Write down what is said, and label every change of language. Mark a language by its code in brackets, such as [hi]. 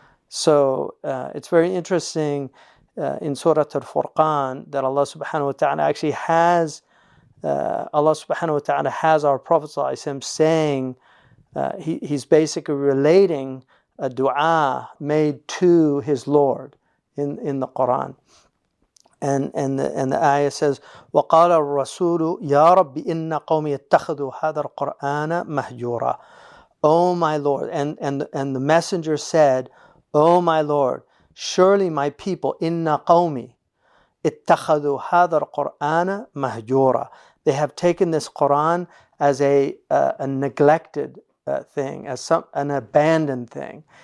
[en] So it's very interesting in Surah Al-Furqan that Allah subhanahu wa ta'ala actually has, Allah subhanahu wa ta'ala has our Prophet sallallahu alayhi wa sallam saying, he's basically relating a dua made to his Lord in the Quran. And the ayah says, [ar] وَقَالَ الرَّسُولُ يَا رَبِّ إِنَّ قَوْمِ يَتَّخَذُوا هَذَا الْقُرْآنَ مَهْجُورًا. [en] Oh my Lord, and the messenger said, oh my Lord, surely my people, [ar] إِنَّ قَوْمِ اتَّخَذُوا هَذَا الْقُرْآنَ مَهْجُورًا. [en] They have taken this Quran as a neglected thing, as an abandoned thing.